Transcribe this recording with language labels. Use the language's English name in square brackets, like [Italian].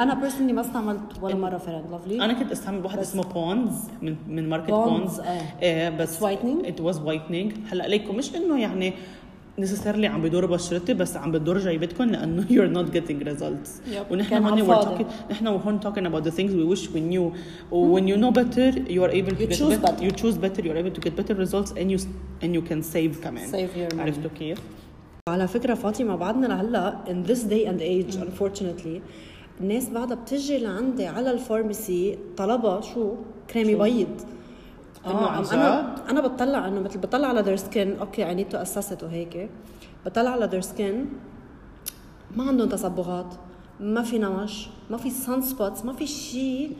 [Arabic] انا [English] personally [Arabic] ما استعملت ولا مره فيرن لوفلي انا كنت استعمل واحد اسمه بونز من ماركت بونز بس [English] whitening it was whitening [Arabic] هلا ليكم مش انه يعني [English] necessarily [Arabic] عم بدور بشرتي بس عم بدور جايبتكم لأنه [English] you're not getting results [Arabic] ونحن هون [English] talking about the things we wish we knew when you know better you are able to you choose better you choose better you're able to get better results and you can save [Arabic] كمان عرفتوا كيف على فكرة فاطمة بعدنا لهلا [English] in this day and age unfortunately [Arabic] الناس بعدها بتجي لعندي على الفارماسي طلبها شو كريمي شو؟ بيض انا بتطلع انه مثل بتطلع على [English] their skin [Arabic] اوكي [English] I need to assess it [Arabic] وهيك بتطلع على their skin ما عندهم تصبغات ما في نمش ما في [English] sun spots [Arabic] ما في شيء